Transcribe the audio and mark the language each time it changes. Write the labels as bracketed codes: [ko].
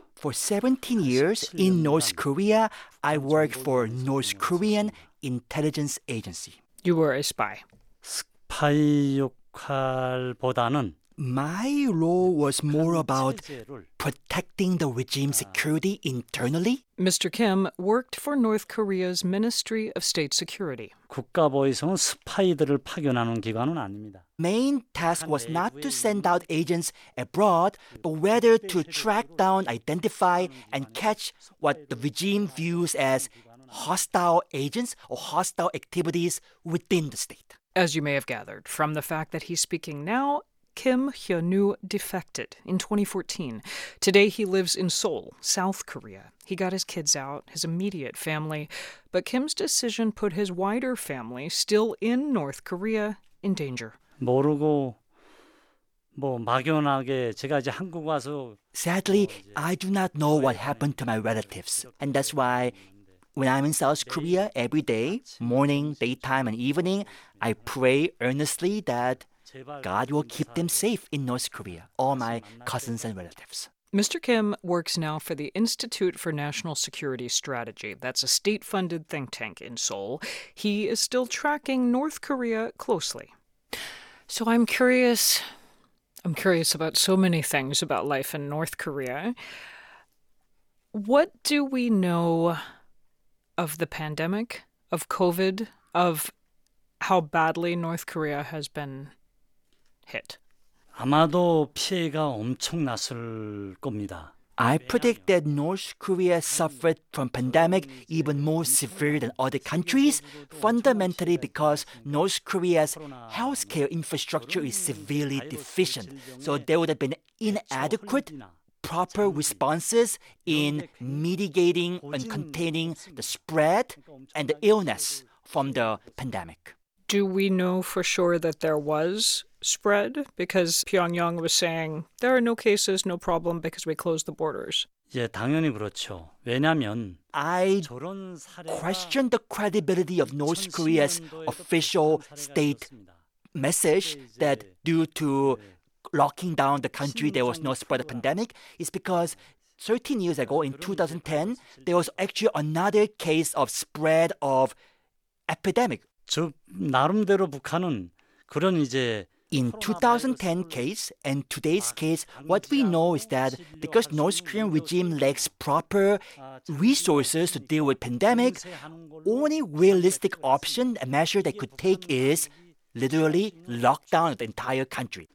[en] For 17 years in North Korea, I worked for North Korean intelligence agency. You were a spy. [ko] 스파이 역할보다는 [en] my role was more about protecting the regime security internally. Mr. Kim worked for North Korea's Ministry of State Security. [ko] 국가보위성은 스파이들을 파견하는 기관은 아닙니다. [en] Main task was not to send out agents abroad, but rather to track down, identify, and catch what the regime views as hostile agents or hostile activities within the state. As you may have gathered from the fact that he's speaking now, Kim Hyun-woo defected in 2014. Today he lives in Seoul, South Korea. He got his kids out, his immediate family, but Kim's decision put his wider family, still in North Korea, in danger. [ko] 모르고 뭐 막연하게 제가 이제 한국 와서 [en] Sadly, I do not know what happened to my relatives, and that's why when I'm in South Korea every day, morning, daytime, and evening, I pray earnestly that God will keep them safe in North Korea, all my cousins and relatives. Mr. Kim works now for the Institute for National Security Strategy. That's a state-funded think tank in Seoul. He is still tracking North Korea closely. So I'm curious about so many things about life in North Korea. What do we know of the pandemic, of COVID, of how badly North Korea has been hit? [ko] 아마도 피해가 엄청 났을 겁니다. [en] I predict that North Korea suffered from pandemic even more severe than other countries, fundamentally because North Korea's healthcare infrastructure is severely deficient. So there would have been inadequate proper responses in mitigating and containing the spread and the illness from the pandemic. Do we know for sure that there was spread? Because Pyongyang was saying there are no cases, no problem, because we closed the borders. [ko] 예, 당연히 그렇죠. 왜냐하면 [en] I question the credibility of North Korea's official state message that due to locking down the country, there was no spread of pandemic. It's because 13 years ago, in 2010, there was actually another case of spread of epidemic. [ko] 저 나름대로 북한은 그런 이제 [en] In 2010 case and today's case, what we know is that because North Korean regime lacks proper resources to deal with pandemic, only realistic option and measure they could take is literally lockdown the entire country.